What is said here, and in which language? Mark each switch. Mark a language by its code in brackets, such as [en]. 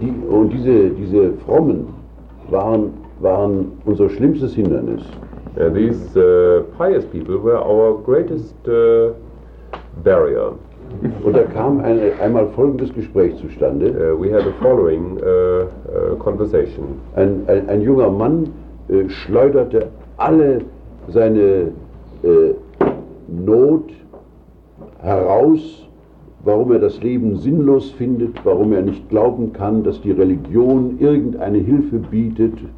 [de] Und diese Frommen waren unser schlimmstes Hindernis. [en] And these pious people were our greatest barrier. [de] Und da kam einmal folgendes Gespräch zustande. [en] We had the following conversation. [de] Ein junger Mann schleuderte alle seine Not heraus, warum er das Leben sinnlos findet, warum er nicht glauben kann, dass die Religion irgendeine Hilfe bietet.